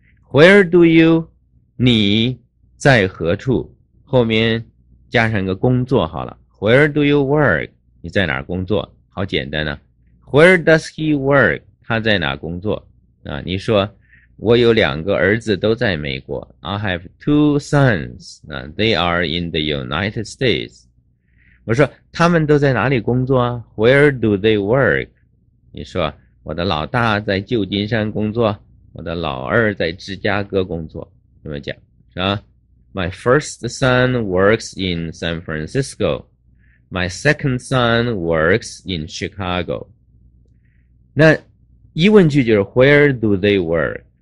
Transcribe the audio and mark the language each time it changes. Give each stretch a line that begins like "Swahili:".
English: Where do you？你在何处？
Chinese: 后面加上一个工作好了。 Where do you work？你在哪儿工作？好简单呢、啊。 Where does he work？他在哪儿工作？啊，你说。我有两个儿子都在美国。
English: I have two sons, they are in the United States.
Chinese: 我说他们都在哪里工作啊？ Where do they work？你说我的老大在旧金山工作，我的老二在芝加哥工作。
English: 这么讲是吧？ My first son works in San Francisco. My second son works in Chicago. 那疑问句就是 Where do they work？